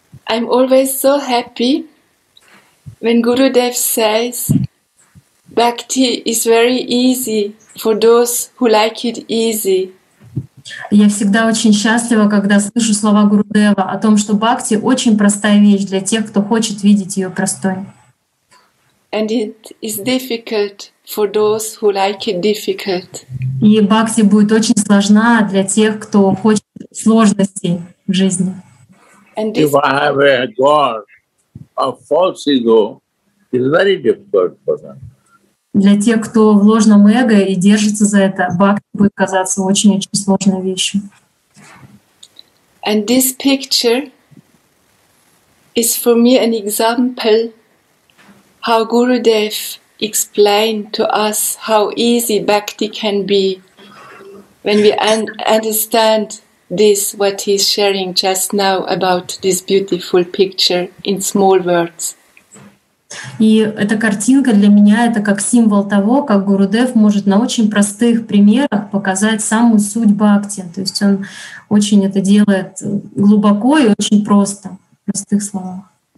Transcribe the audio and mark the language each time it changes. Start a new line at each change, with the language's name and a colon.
English: I'm always so happy when Gurudev says bhakti is very easy for those who like it easy.
Russian: Я всегда очень счастлива, когда слышу слова Гурудева о том, что бхакти очень простая вещь для тех, кто хочет видеть ее простой.
English: And it is difficult for those who like it difficult.
Russian: И бхакти будет очень сложна для тех, кто хочет сложностей в жизни.
English: And if I have a god of false ego, it's very difficult for them.
Russian: Для тех, кто в ложном эго и держится за это, бхакти будет казаться очень-очень сложной вещью.
English: And this picture is for me an example how Gurudev explained to us how easy bhakti can be when we understand this, what he's sharing just now about this beautiful picture in small words.
Russian: И эта картинка для меня — это как символ того, как Гурудев может на очень простых примерах показать самую суть бхакти. То есть он очень это делает глубоко и очень просто, в простых словах.